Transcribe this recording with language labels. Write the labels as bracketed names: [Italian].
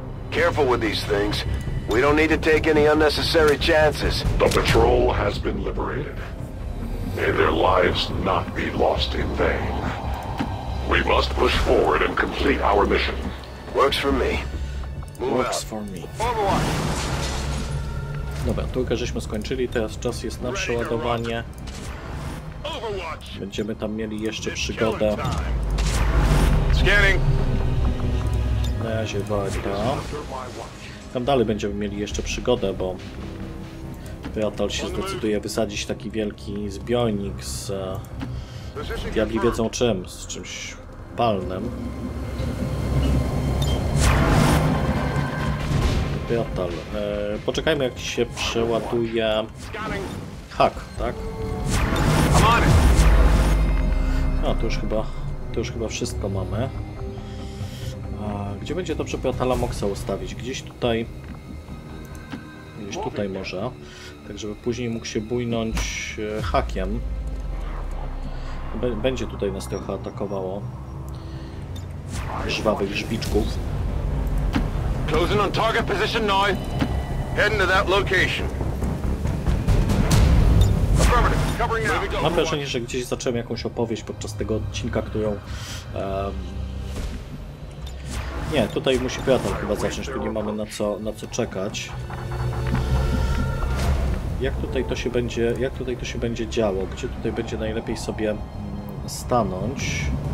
[English] Careful with these things. We don't need to take any unnecessary chances. The patrol has been liberated. May their lives not be lost in vain. We must push forward and complete our mission. Works for me. Works for me. [Polish] Dobra, tylko żeśmy skończyli, teraz czas jest na przeładowanie. Będziemy tam mieli jeszcze przygodę. [English] Scanning. [Polish] Na razie warto. Tam dalej będziemy mieli jeszcze przygodę, bo Piatal się zdecyduje wysadzić taki wielki zbiornik z... Diabli wiedzą czym, z czymś palnym. Piatal, poczekajmy, jak ci się przeładuje hak, tak? A, to już chyba wszystko mamy. Gdzie będzie dobrze Piatala Moxa ustawić? Gdzieś tutaj może. Tak, żeby później mógł się bujnąć hakiem. Będzie tutaj nas trochę atakowało. Żwawych żbiczków. [English] Closing on target position now. Heading to that location. [Polish] Mam wrażenie, że gdzieś zacząłem jakąś opowieść podczas tego odcinka, którą... Nie, tutaj musi Piatal chyba zacząć, tu nie mamy na co czekać. Jak tutaj to się będzie działo? Gdzie tutaj będzie najlepiej sobie stanąć?